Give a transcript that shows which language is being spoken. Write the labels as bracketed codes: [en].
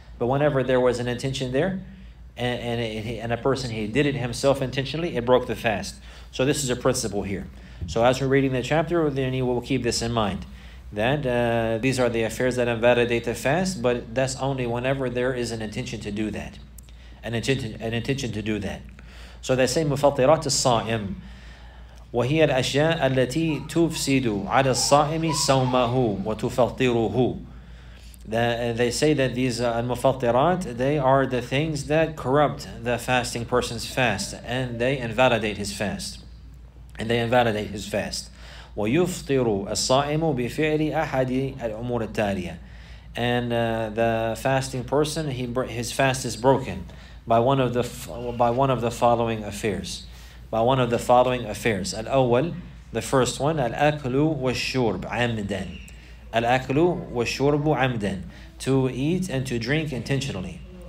[en] But whenever there was an intention there and a person, he did it himself intentionally, it broke the fast. So this is a principle here. So as we're reading the chapter, then you will keep this in mind, that these are the affairs that invalidate the fast, but that's only whenever there is an intention to do that. An intention to do that. So they say, [ar] مُفَطِّرَاتِ الصَّائِمِ وهي الأشياء التي تفسد على الصائم صومه وتفطره. [en] They say that these المفطرات, they are the things that corrupt the fasting person's fast, and they invalidate his fast. And they invalidate his fast. [ar] ويفطر الصائم بفعل أحد الأمور التالية. [en] And the fasting person, his fast is broken by one of the following affairs. [ar] Al-awwal, [en] the first one, [ar] al-aklu wa shurb amdan. Al-aklu wa shurbu amdan. [en] To eat and to drink intentionally.